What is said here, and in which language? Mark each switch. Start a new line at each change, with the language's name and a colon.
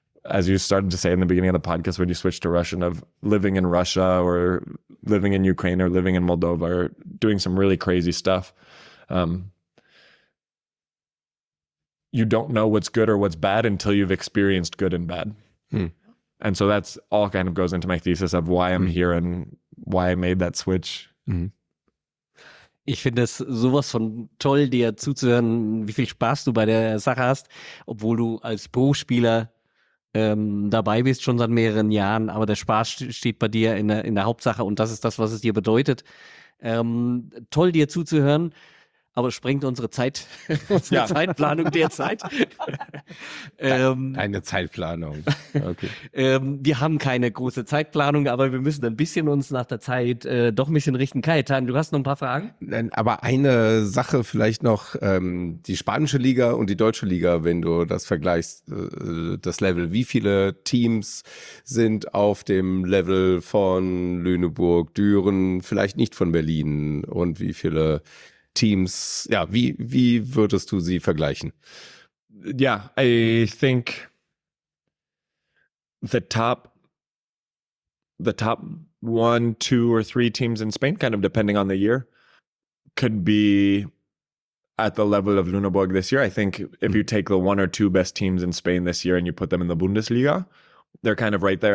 English: As you started to say in the beginning of the podcast, when you switched to Russian, of living in Russia or living in Ukraine or living in Moldova or doing some really crazy stuff. You don't know what's good or what's bad until you've experienced good and bad. Mm. And so that's all kind of goes into my thesis of why I'm here and why I made that switch. Mm-hmm.
German: Ich finde es sowas von toll, dir zuzuhören, wie viel Spaß du bei der Sache hast, obwohl du als Pro-Spieler dabei bist schon seit mehreren Jahren, aber der Spaß steht bei dir in der Hauptsache und das ist das, was es dir bedeutet. Toll, dir zuzuhören, aber es sprengt unsere Zeit, unsere Zeitplanung derzeit. Eine Zeitplanung, okay. Wir haben keine große Zeitplanung, aber wir müssen ein bisschen uns nach der Zeit doch ein bisschen richten. Kaetan, du hast noch ein paar Fragen? Aber eine Sache vielleicht noch, die spanische Liga und die deutsche Liga, wenn du das vergleichst, das Level. Wie viele Teams sind auf dem Level von Lüneburg, Düren, vielleicht nicht von Berlin, und wie viele Teams, ja, wie würdest du sie vergleichen?
English: Yeah, I think the top 1, 2, or 3 teams in Spain, kind of depending on the year, could be at the level of Lüneburg this year. I think if you take the 1 or 2 best teams in Spain this year and you put them in the Bundesliga, they're kind of right there.